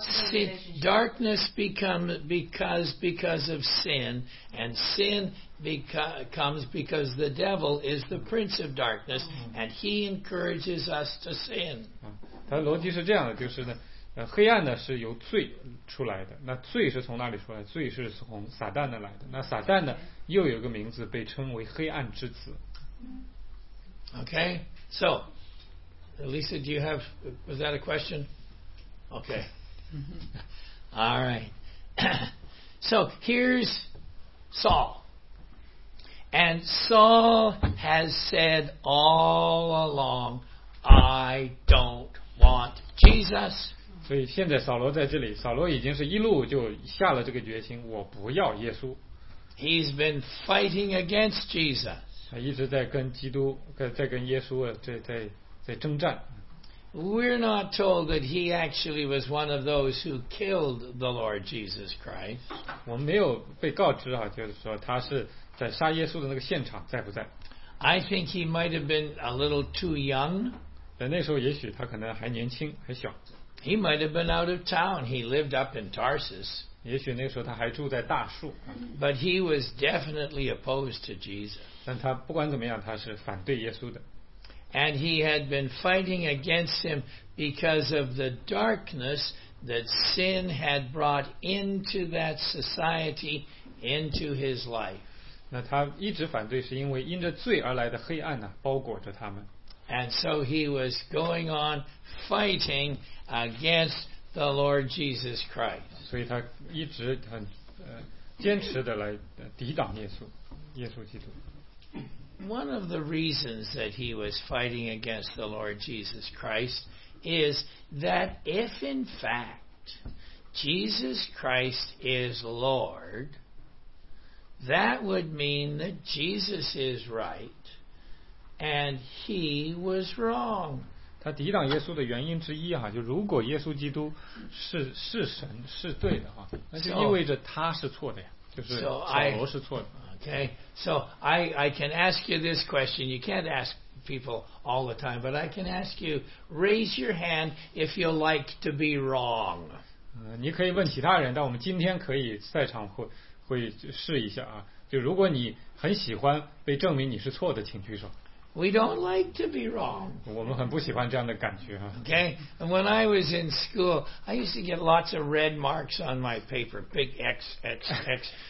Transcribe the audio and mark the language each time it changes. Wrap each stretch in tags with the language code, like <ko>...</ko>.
<en>See, darkness becomes because of sin, and sin comes because the devil is the prince of darkness, and he encourages us to sin.</en> <zh>它的逻辑是这样的，就是呢，黑暗呢是由罪出来的，那罪是从哪里出来？罪是从撒旦那来的。那撒旦呢，又有一个名字被称为黑暗之子。</zh> <en>Okay, so, Lisa, do you have? Was that a question? Okay. All right. So here's Saul, and Saul has said all along, "I don't want Jesus."</en> <zh>所以现在扫罗在这里，扫罗已经是一路就下了这个决心，我不要耶稣。</zh> <en>He's been fighting against Jesus.</en> <zh>他一直在跟基督，在跟耶稣在征战。</zh> <en>We're not told that he actually was one of those who killed the Lord Jesus Christ.</en> <zh>我们没有被告知啊，就是说他是在杀耶稣的那个现场在不在。</zh> <en>I think he might have been a little too young.</en> <zh>在那时候也许他可能还年轻，还小。</zh> <en>He might have been out of town. He lived up in Tarsus.</en> <zh>也许那个时候他还住在大树。</zh> <en>But he was definitely opposed to Jesus.</en> <zh>但他不管怎么样，他是反对耶稣的。</zh> <en>And he had been fighting against him because of the darkness that sin had brought into that society, into his life.</en> <zh>那他一直反对，是因为因着罪而来的黑暗呢、啊，包裹着他们。</zh> <en>And so he was going on fighting against the Lord Jesus Christ.</en> <zh>所以他一直很坚持的来抵挡耶稣基督。</zh> <en>One of the reasons that he was fighting against the Lord Jesus Christ is that if in fact Jesus Christ is Lord, that would mean that Jesus is right and he was wrong.</en> <zh>他抵挡耶稣的原因之一啊，就如果耶稣基督是神是对的啊，那就意味着他是错的呀，就是扫罗是错的。</zh> <en>Okay, so I can ask you this question. You can't ask people all the time, but I can ask you, raise your hand if you like to be wrong.</en> <zh>你可以问其他人，但我们今天可以在场会试一下啊。就如果你很喜欢被证明你是错的，请举手。</zh> <en>We don't like to be wrong.</en> <zh>我们很不喜欢这样的感觉啊。</zh> <en>Okay, and when I was in school, I used to get lots of red marks on my paper, big X X X.</en>